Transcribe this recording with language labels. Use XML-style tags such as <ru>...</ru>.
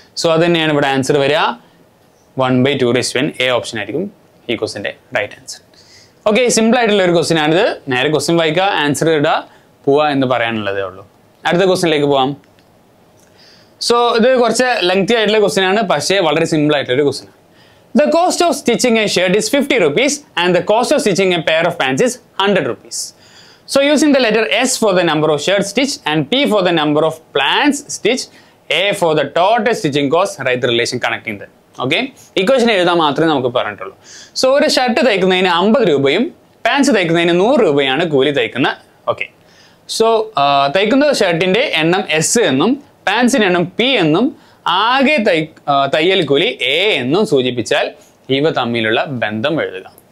<ml>So അത് തന്നെയാണ് ഇവിടെ ആൻസർ വരിക, 1/2⁴. എ ഓപ്ഷൻ ആയിരിക്കും ഈ ക്വസ്റ്റ്യൻ്റെ റൈറ്റ് ആൻസർ. ഓക്കെ, സിമ്പിൾ ആയിട്ടുള്ള ഒരു ക്വസ്റ്റ്യൻ ആണിത്. നേരെ ക്വസ്റ്റ്യൻ വായിക്കുക, ആൻസർ ഇടുക, പോവുക എന്ന് പറയാനുള്ളതേ ഉള്ളൂ. അടുത്ത ക്വസ്റ്റ്യനിലേക്ക് പോവാം. സോ ഇത് കുറച്ച് ലെങ്തി ആയിട്ടുള്ള ക്വസ്റ്റ്യൻ ആണ്, പക്ഷേ വളരെ സിമ്പിൾ ആയിട്ടുള്ള ഒരു question.</ml> <en>The cost of stitching a shirt is 50 rupees and the cost of stitching a pair of pants is 100 rupees. So using the letter S for the number of shirts stitched and P for the number of pants stitched, A for the total stitching cost, write the relation connecting them. Okay?</en> <ml>Equation എഴുതാൻ മാത്രമേ നമുക്ക് പറഞ്ഞിട്ടുള്ളൂ. So ഒരു shirt തയ്ക്കുന്നതിന് 50 രൂപയും pants തയ്ക്കുന്നതിന് 100 രൂപയാണ് കൂലി തയ്ക്കുന്ന. Okay, so തയ്ക്കുന്ന ഷർട്ടിൻ്റെ എണ്ണം എസ് എന്നും പാൻസിൻ്റെ എണ്ണം പി എന്നും ആകെ തയ്യൽ കൂലി എ എന്നും സൂചിപ്പിച്ചാൽ ഇവ തമ്മിലുള്ള ബന്ധം എഴുതുക.</ml>